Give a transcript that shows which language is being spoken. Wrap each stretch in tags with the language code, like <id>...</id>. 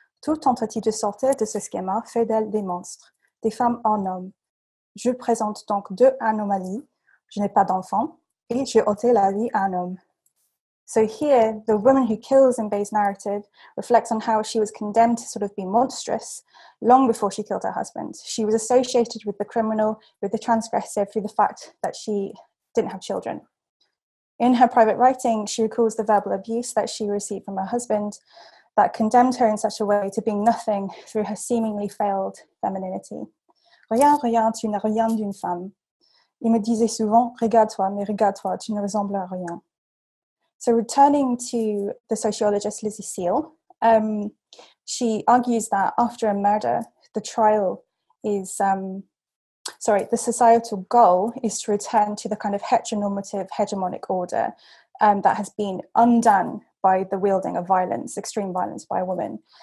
<fr>Toute tentative de sortir de ce schéma fait d'elles des monstres, des femmes en hommes. Je présente donc deux anomalies. Je n'ai pas d'enfant et j'ai ôté la vie à un homme.</fr> <en>So here, the woman who kills in Bay's narrative reflects on how she was condemned to sort of be monstrous long before she killed her husband. She was associated with the criminal, with the transgressive, through the fact that she didn't have children. In her private writing, she recalls the verbal abuse that she received from her husband that condemned her in such a way to being nothing through her seemingly failed femininity.</en> <fr>Rien, rien, tu n'as rien d'une femme. Il me disait souvent, regarde-toi, mais regarde-toi, tu ne ressembles à rien.</fr> <en>So returning to the sociologist Lizzie Seal, she argues that after a murder, the societal goal is to return to the kind of heteronormative hegemonic order that has been undone by the wielding of violence, extreme violence by a woman.</en>